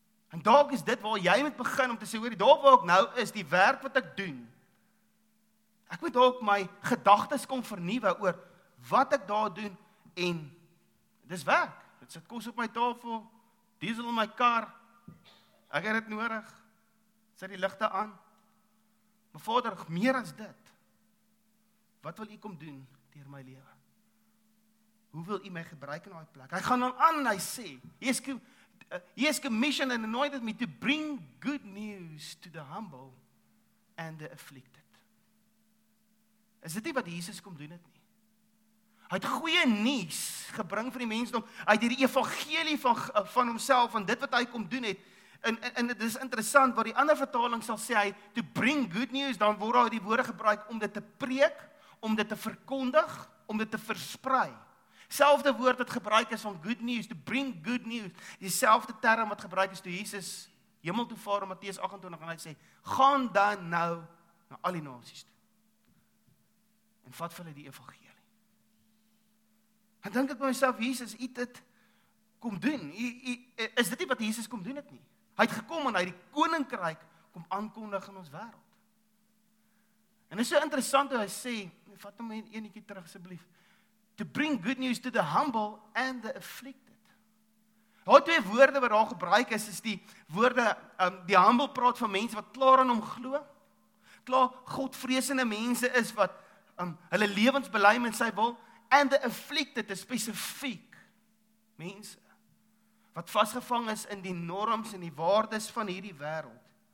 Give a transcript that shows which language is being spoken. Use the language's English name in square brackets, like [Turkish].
[Afrikaans] En dalk is dit waar jy moet begin om te sê, oor die dalk waar ek nou is, die werk wat ek doen, ek moet dalk my gedagtes kom vernuwe oor wat ek daar doen, en dis werk, dit sit kos op my tafel, diesel in my kar, ek het dit nodig, sit die ligte aan, maar Vader, meer as dit, wat wil U kom doen deur my lewe? Hoe wil U my gebruik in daai plek? Hy gaan dan aan en hy sê, [English] He has commissioned and anointed me to bring good news to the humble and the afflicted. [Afrikaans] Is dit nie wat Jesus kom doen het nie? Hy het goeie nuus gebring vir die mensdom. Hy het hierdie evangelie van homself, van dit wat hy kom doen het. En dit is interessant, wat die ander vertaling sal sê, hy [English] to bring good news, [Afrikaans] dan word daar die woorde gebruik om dit te preek, om dit te verkondig, om dit te versprei. Selfde woord wat gebruik is van [English] good news, to bring good news, [Afrikaans] dieselfde term wat gebruik is toe Jesus hemel toe vaar in Matteus 28, en hy sê, gaan dan nou na al die nasies toe, en vat vir hulle die evangelie. En dink ek by myself, Jesus, U het dit kom doen, is dit nie wat Jesus kom doen het nie? Hy het gekom en hy het die koninkryk kom aankondig in ons wêreld. En is so interessant hoe hy sê, vat hom eenetjie terug asseblief, [English] to bring good news to the humble and the afflicted. [Afrikaans] Daar twee woorde wat daar gebruik is, is die woorde, die humble praat van mense wat klaar in hom glo, klaar godvreesende mense is wat hulle lewens bely met sy wil, [English] and the afflicted [Afrikaans] is spesifiek mense wat vasgevang is in die norms en die waardes van hierdie wêreld.